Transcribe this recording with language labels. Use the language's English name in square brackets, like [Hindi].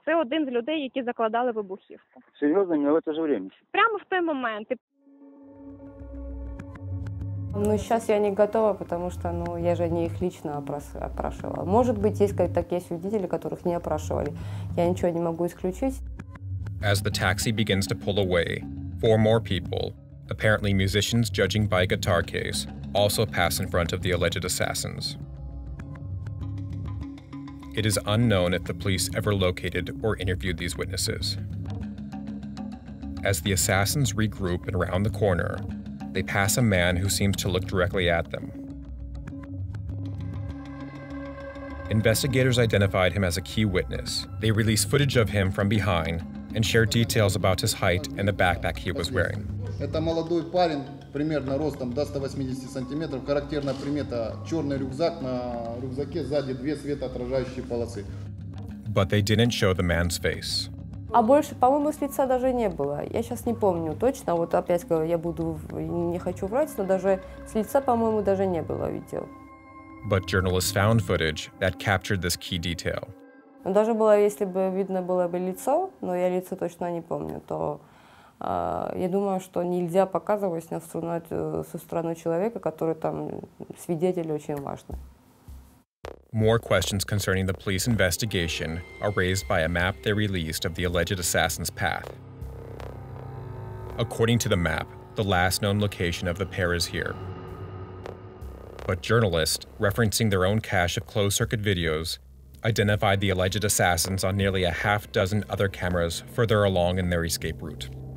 [Ukrainian] Це один з людей, які закладали вибухівку. Серйозно, але це ж время. Прямо в той момент. Ну, зараз я не готова, тому що ну, я ж не їх лично опрашувала. Може бути, є такі свідки, яких не опрашували. Я нічого не можу виключити. [English] As the taxi begins to pull away, four more people, apparently musicians judging by a guitar case, also pass in front of the alleged assassins. It is unknown if the police ever located or interviewed these witnesses. As the assassins regroup and round the corner, they pass a man who seems to look directly at them. Investigators identified him as a key witness. They released footage of him from behind and shared details about his height and the backpack he was wearing. [Russian] Это молодой парень, примерно ростом до 180 сантиметров. Характерная примета – черный рюкзак, на рюкзаке сзади две светоотражающие полосы. [English] But they didn't show the man's face. [Russian] А больше, по-моему, с лица даже не было. Я сейчас не помню точно, вот опять говорю, я буду, не хочу врать, но даже с лица, по-моему, даже не было видео. [English] But journalists found footage that captured this key detail. [Russian] Даже было, если бы видно было бы лицо, но я лицо точно не помню, то... [Ukrainian] Я думаю, що нельзя показувати на сторону чоловіка, який там свідетель дуже важливий. [English] More questions concerning the police investigation are raised by a map they released of the alleged assassin's path. According to the map, the last known location of the pair is here. But journalists, referencing their own cache of closed-circuit videos, identified the alleged assassins on nearly a half dozen other cameras further along in their escape route.